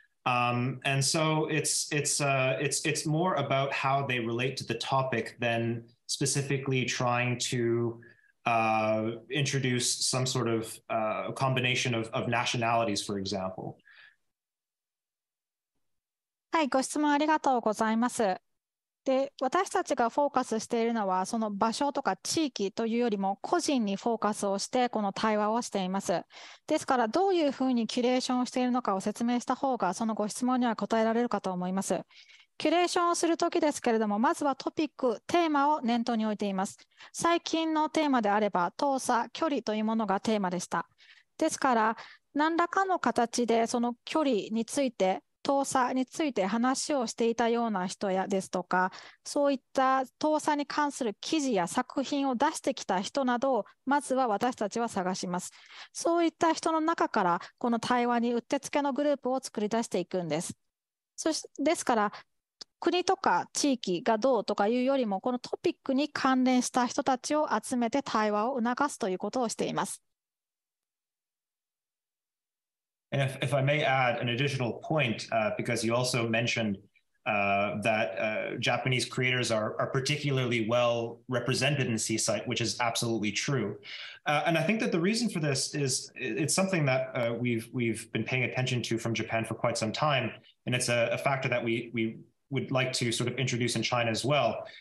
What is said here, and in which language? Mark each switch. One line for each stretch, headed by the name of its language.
English: And so it's more about how they relate to the topic than specifically trying to introduce some sort of combination of nationalities, for example.
Japanese: はい、ご質問ありがとうございます。で、私たちがフォーカスしているのはその場所とか地域というよりも個人にフォーカスをしてこの対話をしています。ですからどういうふうにキュレーションをしているのかを説明した方がそのご質問には答えられるかと思います。キュレーションをするときですけれども、まずはトピック、テーマを念頭に置いています。最近のテーマであれば、遠さ、距離というものがテーマでした。ですから、何らかの形でその距離について、遠さについて話をしていたような人やですとか、そういった遠さに関する記事や作品を出してきた人などを、まずは私たちは探します。そういった人の中から、この対話にうってつけのグループを作り出していくんです。ですから、国とか地域がどうとかいうよりも、このトピックに関連した人たちを集めて対話を促すということをしています。
English: And if I may add an additional point, because you also mentioned that Japanese creators are particularly well represented in Seaside, which is absolutely true. And I think that the reason for this is it's something that we've been paying attention to from Japan for quite some time, and it's a factor that we would like to sort of introduce in China as well.